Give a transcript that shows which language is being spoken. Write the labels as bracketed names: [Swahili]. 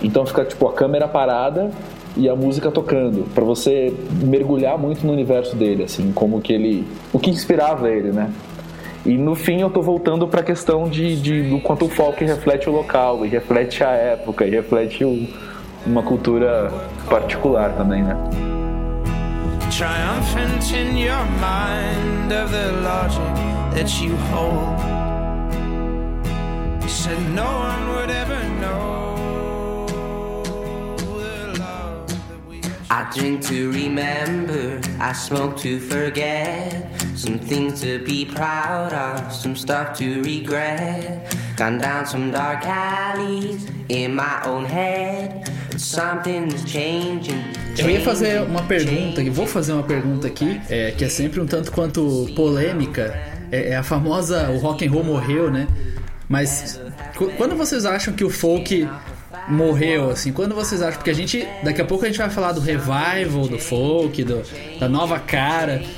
[Portuguese] Então fica, tipo, a câmera parada e a música tocando, pra você mergulhar muito no universo dele, assim, como que ele... o que inspirava ele, né? E no fim eu tô voltando pra questão do quanto o folk reflete o local, e reflete a época, e reflete uma cultura particular também, né? [English] Triumphant in your mind of the logic that you hold. You said no one would ever know the love that we had. I drink to remember, I smoke to forget. Some things to be proud of, some stuff to regret. Gone down some dark alleys in my own head. Something's changing. [Portuguese] Eu ia fazer uma pergunta, e vou fazer uma pergunta aqui, que é sempre um tanto quanto polêmica. É a famosa, o rock and roll morreu, né? Mas quando vocês acham que o folk morreu, assim? Quando vocês acham, porque a gente, daqui a pouco a gente vai falar do revival do folk, da nova cara.